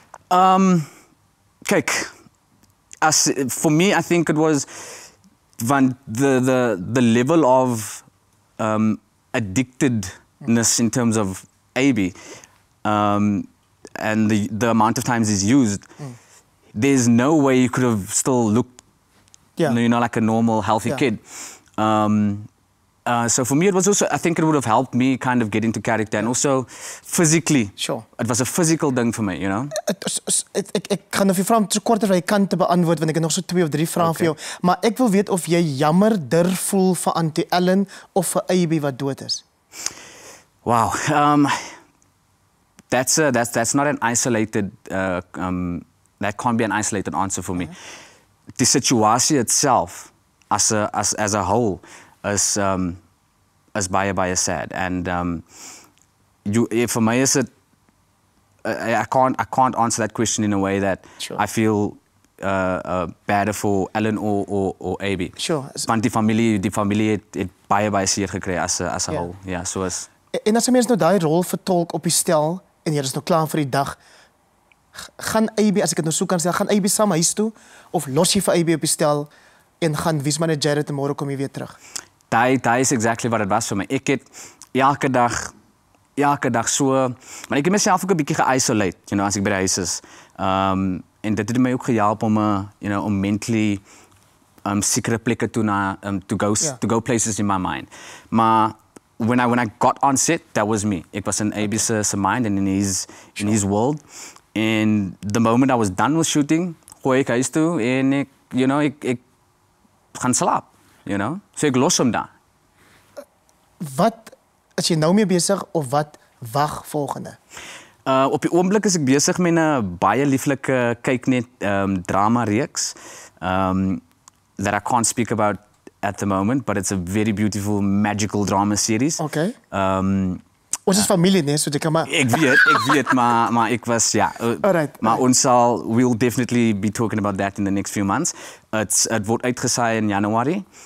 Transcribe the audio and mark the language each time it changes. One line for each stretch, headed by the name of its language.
Afrikaans: Kyk, as,
English: for me, I think it was van the level of addictedness in terms of AB and the amount of times he's used, there's no way you could have still looked, you know, like a normal, healthy kid. So for me, it was also, I think it would have helped me kind of get into character and also physically. Sure. It was a physical thing for me, you know?
Afrikaans: Ek gaan of jy vraag om so kort as jy kan te beantwoord, want ek het nog so 2 of 3 vraag vir jou. Maar ek wil weet of jy jammerder voel vir Auntie Ellen of vir AB wat dood is.
English: Wow. That's not an isolated, that can't be an isolated answer for me. Okay. The situasie itself, as a whole, is baie sad. And for me, is it, I can't answer that question in a way that I feel badder for Ellen or AB. Sure.
Afrikaans: Want die familie het baie seer gekry
English: as a whole. Yeah, so is.
Afrikaans: En as jy mens nou daai rol vertolk op die stel, en jy is nou klaar vir die dag, gaan AB, as ek het nou so kan stel, gaan AB saam huis toe, of los jy vir AB op die stel, en gaan Wiesman en Jared tomorrow kom jy weer terug? Dat is exactly wat het was vir my. Ek het elke dag so, maar ek het myself ook 'n bietjie geïsoleer,
English: you know,
Afrikaans: as ek by die huis is. En dit het my ook gehelp om,
English: you know,
Afrikaans: om mentally sekere plekke toe na,
English: to go places in my mind. Maar when I got on set, that was me. It was in AB's mind and in his world. And the moment I was done with shooting,
Afrikaans: gooi ek huis toe en ek,
English: you know,
Afrikaans: ek gaan slaap.
English: You know,
Afrikaans: so ek los hom daar. Wat is jy nou mee besig of wat wag volgende? Op die oomblik is ek besig met 'n baie lieflike kyknet drama reeks
English: that I can't speak about at the moment, but it's a very beautiful, magical drama series.
Afrikaans: Okay. Ons is familie, nee, so dit kan maar. Ek weet, maar ek was, ja.
English: Alright.
Afrikaans: Maar ons sal,
English: we'll definitely be talking about that in the next few months.
Afrikaans: Het word uitgesaai in Januari.